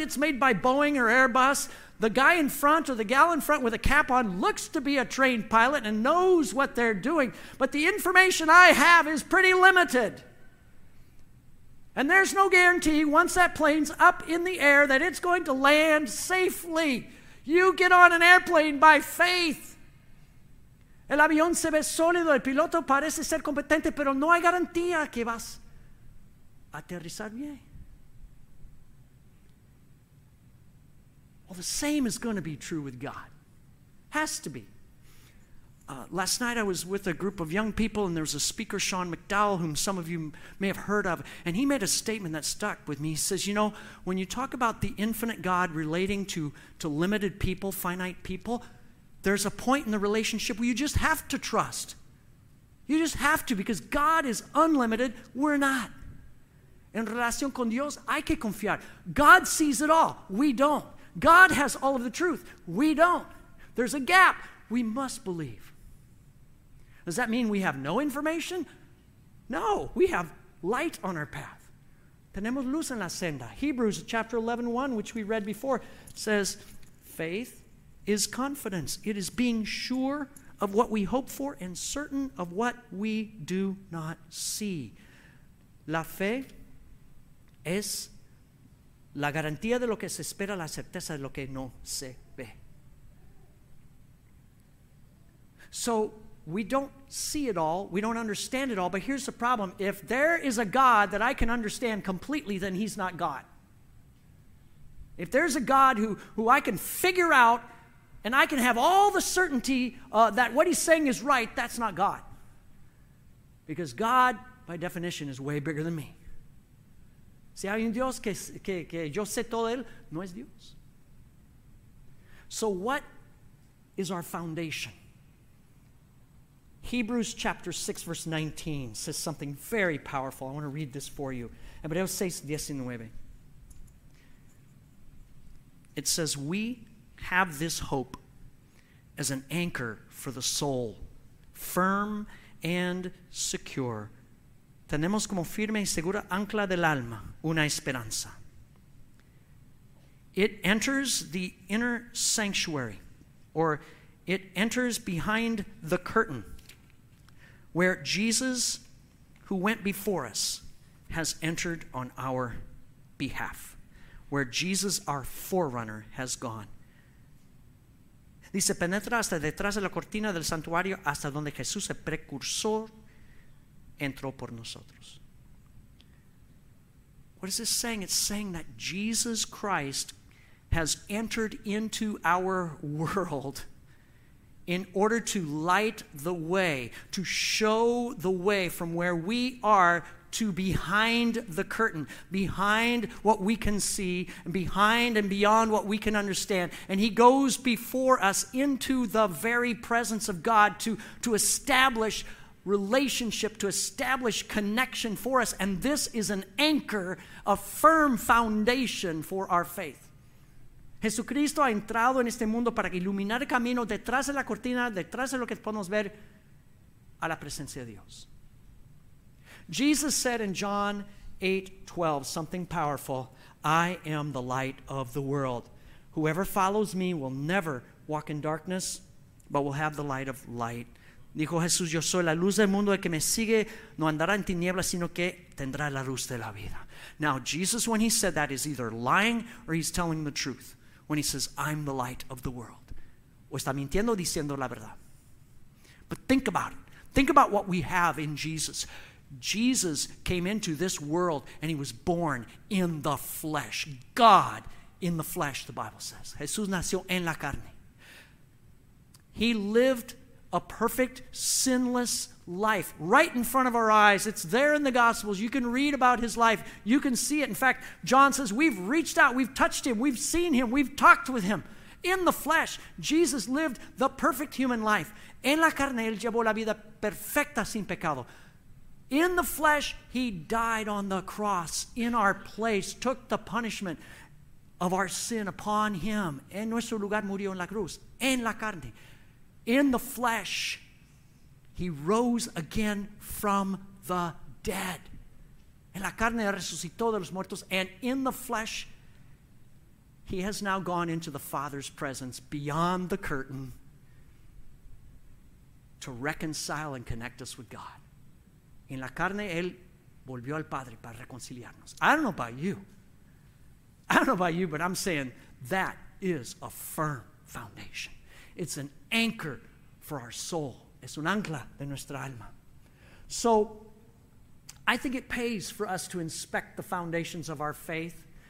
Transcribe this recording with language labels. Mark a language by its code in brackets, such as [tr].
[en] It's made by Boeing or Airbus. The guy in front or the gal in front with a cap on looks to be a trained pilot and knows what they're doing. But the information I have is pretty limited. And there's no guarantee once that plane's up in the air that it's going to land safely. You get on an airplane by faith. [es] El avión se ve sólido, el piloto parece ser competente, pero no hay garantía que vas a aterrizar bien. [en] Well, the same is going to be true with God. Has to be. Last night I was with a group of young people, and there was a speaker, Sean McDowell, whom some of you may have heard of, and he made a statement that stuck with me. He says, you know, when you talk about the infinite God relating to limited people, finite people, there's a point in the relationship where you just have to trust. You just have to, because God is unlimited, we're not. [es] En relación con Dios, hay que confiar. [en] God sees it all, we don't. God has all of the truth, we don't. There's a gap. We must believe. Does that mean we have no information? No, we have light on our path. [es] Tenemos luz en la senda. [en] Hebrews chapter 11, 1, which we read before, says, faith is confidence. It is being sure of what we hope for and certain of what we do not see. [es] La fe es la garantía de lo que se espera, la certeza de lo que no se ve. [en] So we don't see it all. We don't understand it all. But here's the problem. If there is a God that I can understand completely, then he's not God. If there's a God who I can figure out and I can have all the certainty that what he's saying is right, that's not God. Because God, by definition, is way bigger than me. [es] Si hay un Dios que yo sé todo él, no es Dios. [en] So what is our foundation? Hebrews chapter 6, verse 19 says something very powerful. I want to read this for you. [es] Hebreos 6, 19. [en] It says, we have this hope as an anchor for the soul, firm and secure. [es] Tenemos como firme y segura ancla del alma, una esperanza. [en] It enters the inner sanctuary, or it enters behind the curtain, where Jesus, who went before us, has entered on our behalf. Where Jesus, our forerunner, has gone. [es] Dice, penetra hasta detrás de la cortina del santuario hasta donde Jesús, el precursor, entró por nosotros. [en] What is this saying? It's saying that Jesus Christ has entered into our world in order to light the way, to show the way from where we are to behind the curtain, behind what we can see, and behind and beyond what we can understand. And he goes before us into the very presence of God to establish relationship, to establish connection for us. And this is an anchor, a firm foundation for our faith. [es] Jesucristo ha entrado en este mundo para iluminar el camino detrás de la cortina, detrás de lo que podemos ver, a la presencia de Dios. [en] Jesus said in John 8:12 something powerful. I am the light of the world. Whoever follows me will never walk in darkness, but will have the light of light. [es] Dijo Jesús, yo soy la luz del mundo. El que me sigue no andará en tinieblas, sino que tendrá la luz de la vida. [en] Now Jesus, when he said that, is either lying or he's telling the truth. When he says, I'm the light of the world. [es] O está mintiendo o diciendo la verdad. [en] But think about it. Think about what we have in Jesus. Jesus came into this world and he was born in the flesh. God in the flesh, the Bible says. [es] Jesús nació en la carne. [en] He lived a perfect, sinless life right in front of our eyes. It's there in the Gospels. You can read about his life. You can see it. In fact, John says, we've reached out. We've touched him. We've seen him. We've talked with him. In the flesh, Jesus lived the perfect human life. [es] En la carne, él llevó la vida perfecta sin pecado. [en] In the flesh, he died on the cross in our place, took the punishment of our sin upon him. [es] En nuestro lugar murió en la cruz. En la carne. [en] In the flesh, he rose again from the dead. [es] En la carne resucitó de los muertos. [en] And in the flesh, he has now gone into the Father's presence beyond the curtain to reconcile and connect us with God. [es] En la carne, él volvió al Padre para reconciliarnos. [en] I don't know about you. I don't know about you, but I'm saying that is a firm foundation. It's an anchor for our soul. [es] Es un ancla de nuestra alma. [en] So, I think it pays for us to inspect the foundations of our faith.